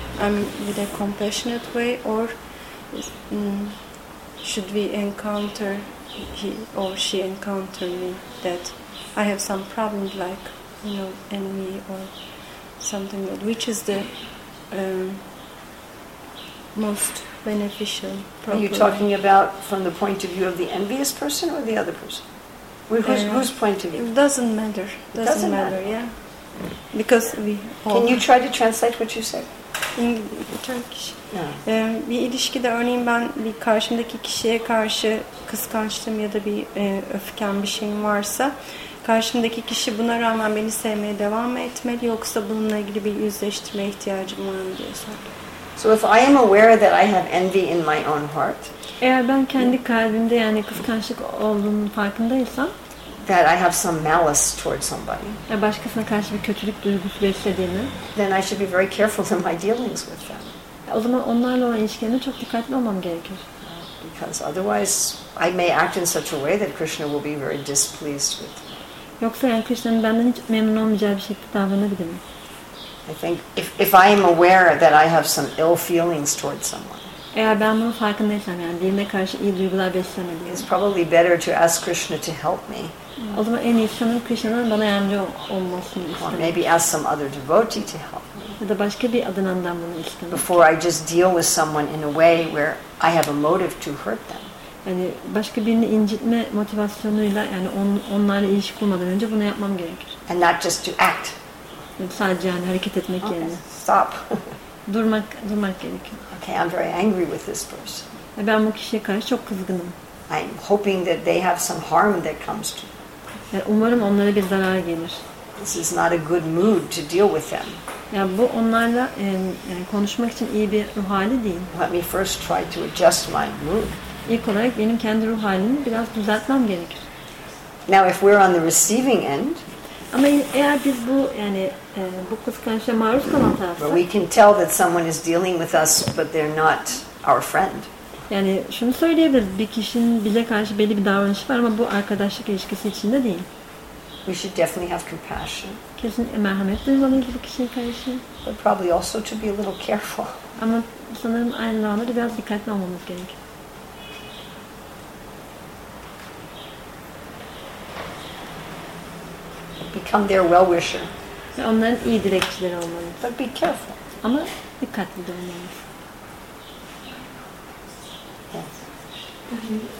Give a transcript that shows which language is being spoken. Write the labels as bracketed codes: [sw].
[en] I mean, with a compassionate way, or should we encounter he or she encounter me that I have some problem, like, you know, envy or something, that which is the most beneficial problem? Are you talking about from the point of view of the envious person or the other person? Whose point of view? It doesn't matter. Yeah, because we all can you try to translate what you said? Turkish. Yeah. [tr] Bir ilişkide örneğin ben bir karşımdaki kişiye karşı kıskançlığım ya da bir öfkem, bir şeyim varsa, karşımdaki kişi buna rağmen beni sevmeye devam mı etmeli, yoksa bununla ilgili bir yüzleştirmeye ihtiyacım var mı diye sordum. [en] So if I am aware that I have envy in my own heart. [tr] Eğer ben kendi kalbimde yani kıskançlık olduğunun farkındaysam, [en] that I have some malice towards somebody. [tr] Yani başkasına karşı bir kötülük duygusu beslediğimi. [en] Then I should be very careful in my dealings with them. [tr] O zaman onlarla olan ilişkilerimde çok dikkatli olmam gerekir. [en] Because otherwise I may act in such a way that Krishna will be very displeased with me. [tr] Yoksa yani Krishna'nın benden hiç memnun olmayacağı bir şekilde davranabilir mi? [en] I think if I am aware that I have some ill feelings towards someone. [tr] Eğer ben bunun farkındaysam yani birine karşı iyi duygular beslemediğim. [en] It's probably better to ask Krishna to help me. [tr] O zaman en iyisi sanırım Krishna'nın bana yardımcı olmasını istemek. [en] Maybe ask some other devotee to help. [tr] Ya da başka bir adanandan bunu istemek. [en] Before I just deal with someone in a way where I have a motive to hurt them. [tr] Yani başka birini incitme motivasyonuyla yani onlarla ilişki kurmadan önce bunu yapmam gerekir. [en] And not just to act. [tr] Yani sadece yani hareket etmek [en] okay. [tr] Yerine. [en] Stop. [tr] durmak gerekiyor. [en] Okay, I'm very angry with this person. [tr] Ya ben bu kişiye karşı çok kızgınım. [en] I'm hoping that they have some harm that comes to them. [tr] Yani umarım onlara bir zarar gelir. [en] This is not a good mood to deal with them. [tr] Yani bu onlarla konuşmak için iyi bir ruh hali değil. [en] Let me first try to adjust my mood. [tr] İlk olarak benim kendi ruh halimi biraz düzeltmem gerekir. [en] Now if we're on the receiving end. [tr] Ama eğer biz bu yani bu kıskançlığa maruz kalan tarafsa. [en] But we can tell that someone is dealing with us, but they're not our friend. [tr] Yani şunu söyleyebiliriz, bir kişinin bize karşı belli bir davranışı var ama bu arkadaşlık ilişkisi içinde değil. [en] We should definitely have compassion. [tr] Kesin merhamet duymalıyız bu kişiye karşı. [en] But probably also to be a little careful. [tr] Ama sanırım aynı zamanda da biraz dikkatli olmamız gerekir. [en] become their well-wisher. [tr] Ve onların iyi dilekçileri olmalıyız. [en] But be careful. [tr] Ama dikkatli de olmalıyız.